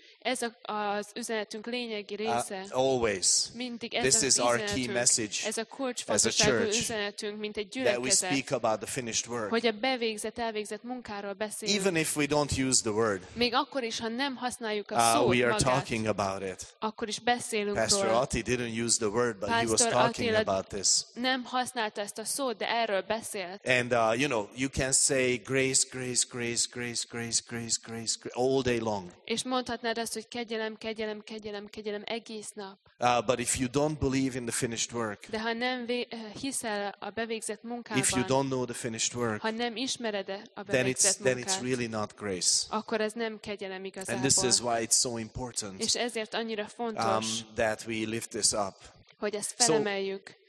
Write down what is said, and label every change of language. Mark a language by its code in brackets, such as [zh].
[hu] Ez az üzenetünk lényegi része. [en] Always. [hu] Mindig ez [en] this [hu] az [en] is our key message. [hu] Ez a kulcsfontosságú üzenetünk, mint egy gyülekezet. [en] That we speak about the finished work. [hu] Hogy a bevégzett, elvégzett munkáról beszélünk. [en] Even if we don't use the word. [hu] Még akkor is, ha nem használjuk a szót [en] We are talking about it. [hu] Akkor is beszélünk [en] Pastor [hu] róla. [en] Pastor Ati didn't use the word, but he was talking about this. [hu] Nem használta ezt a szót, de erről beszélt. [en] And you know, you can say grace, grace, grace, grace, grace, grace, grace, grace all day long. [hu] És mondhatnád azt, hogy kegyelem, kegyelem, kegyelem, kegyelem egész nap. [en] But if you don't believe in the finished work. [hu] De ha nem hiszel a bevégzett munkában. [en] If you don't know the finished work. [hu] Ha nem ismered a bevégzett munkát. [en] Then it's really not grace. [hu] Akkor ez nem kegyelem igazából. [en] And this is why it's so important. [hu] És ezért annyira fontos. [en] That we lift this up. [hu] Hogy ezt felemeljük.